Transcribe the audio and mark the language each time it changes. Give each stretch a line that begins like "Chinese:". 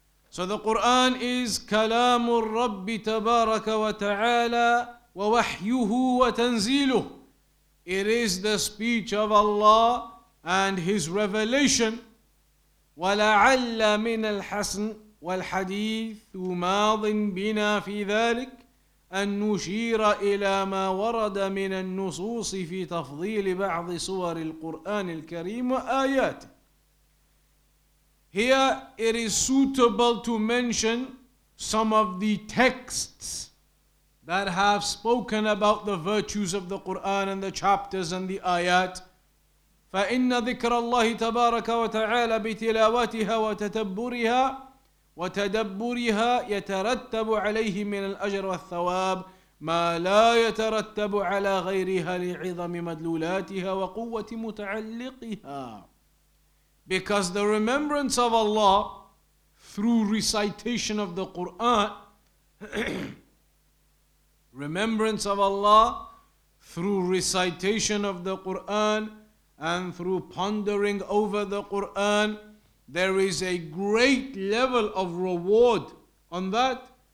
English: So the Qur'an is
Arabic: كلام الرب تبارك وتعالى ووحيه وتنزيله.
English: It is the speech of Allah and His revelation.
Arabic: ولعل من الحسن والحديث ماض بنا في ذلك أن نشير إلى ما ورد من النصوص في تفضيل بعض سور القرآن الكريم وآياته.
English: Here it is suitable to mention some of the texts that have spoken about the virtues of the Qur'an and the chapters and the ayat.
Arabic: فَإِنَّ ذِكْرَ اللَّهِ تَبَارَكَ وَتَعَالَى بِتِلَاوَتِهَا وَتَتَبُّرِهَا وتدبرها يترتب عليه من الأجر والثواب ما لا يترتب على غيرها لعظم مدلولاتها وقوة متعلقها.
English: Because the remembrance of Allah through recitation of the Quran, remembrance of Allah through recitation of the Quran and through pondering over the Quran, there is a great level of reward on that.